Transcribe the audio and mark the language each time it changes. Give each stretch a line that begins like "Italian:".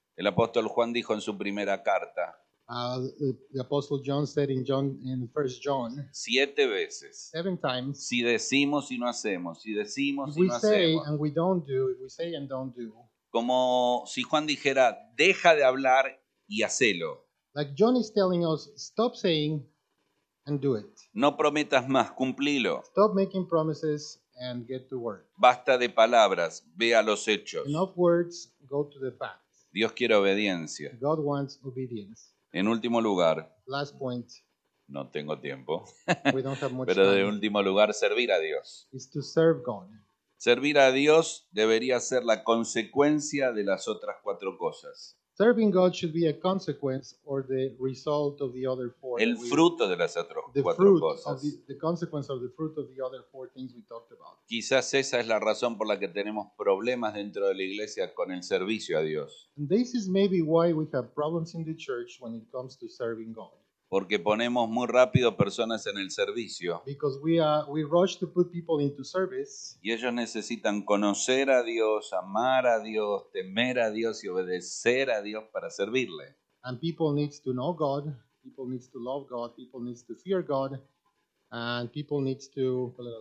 Spanish: El apóstol Juan dijo en su primera carta.
English: The apostle John said in John in 1 John
Spanish: 7 veces,
English: 7 times,
Spanish: si decimos y no hacemos, si decimos y no hacemos,
English: if we say and we don't do, if we say and don't do,
Spanish: como si Juan dijera deja de hablar y hacelo,
English: like John is telling us stop saying and do it,
Spanish: no prometas más, cumplilo,
English: stop making promises and get to work,
Spanish: basta de palabras, ve a los hechos,
English: enough words, go to the facts.
Spanish: Dios quiere obediencia.
English: God wants obedience.
Spanish: En último lugar,
English: last point,
Spanish: no tengo tiempo,
English: we don't have much
Spanish: pero
English: time,
Spanish: en último lugar, servir a Dios.
English: Is to serve God.
Spanish: Servir a Dios debería ser la consecuencia de las otras cuatro cosas.
English: Serving God should be a consequence or the result of the other four.
Spanish: El fruto de las otras
English: the
Spanish: cuatro
English: fruit
Spanish: cosas.
English: Of the consequence of the fruit of the other four things we talked about.
Spanish: Quizás esa es la razón por la que tenemos problemas dentro de la iglesia con el servicio a Dios.
English: And this is maybe why we have problems in the church when it comes to serving God.
Spanish: Porque ponemos muy rápido personas en el servicio.
English: Because we rush to put people into service.
Spanish: Y ellos necesitan conocer a Dios, amar a Dios, temer a Dios y obedecer a Dios para servirle.
English: And people need to know God, people need to love God, people need to fear God, and people need to